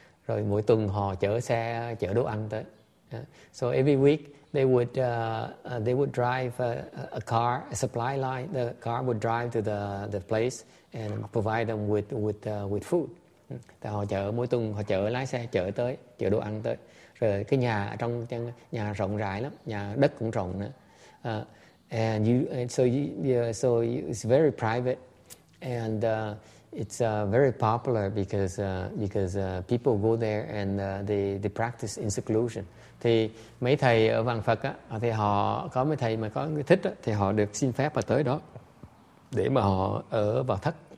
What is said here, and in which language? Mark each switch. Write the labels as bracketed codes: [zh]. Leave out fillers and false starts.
[vi] Rồi mỗi tuần họ chở xe chở đồ ăn tới. [en] So every week they would drive a car, a supply line. The car would drive to the place and provide them with food. [vi] Thì họ chở mỗi tuần, họ chở lái xe chở tới, chở đồ ăn tới. Rồi cái nhà trong nhà rộng rãi lắm, nhà đất cũng rộng nữa. [en] So it's very private, and it's very popular because people go there and they practice in seclusion. [vi] Thì mấy thầy ở Vạn Phật á, thì họ có mấy thầy mà có người thích á, thì họ được xin phép mà tới đó để mà họ ở vào thất.